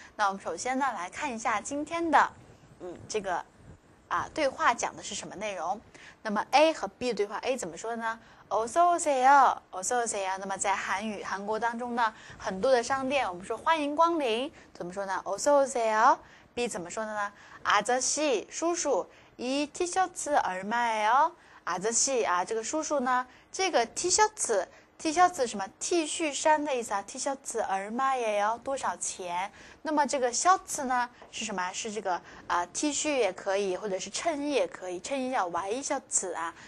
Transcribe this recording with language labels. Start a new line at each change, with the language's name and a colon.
Chinese: 那我们首先呢，来看一下今天的，这个。啊，对话讲的是什么内容？那么 A 和 B 对话 ，A 怎么说呢？
Korean: 어서오세요，어서오세요。
Chinese: 那么在韩语、韩国当中呢，很多的商店，我们说欢迎光临，怎么说呢？
Korean: 어서오세요。
Chinese: B 怎么说的呢？
Korean: 아저씨，
Chinese: 叔叔，
Korean: 이 T셔츠 얼마예요？
Chinese: 아저씨啊，这个叔叔呢，这个 T셔츠 什么 T 恤衫的意思啊？
Korean: T셔츠 얼마예요？
Chinese: 多少钱？那么这个 셔츠 呢是什么？是这个T 恤也可以，或者是衬衣也可以，衬衣叫 Y셔츠 啊。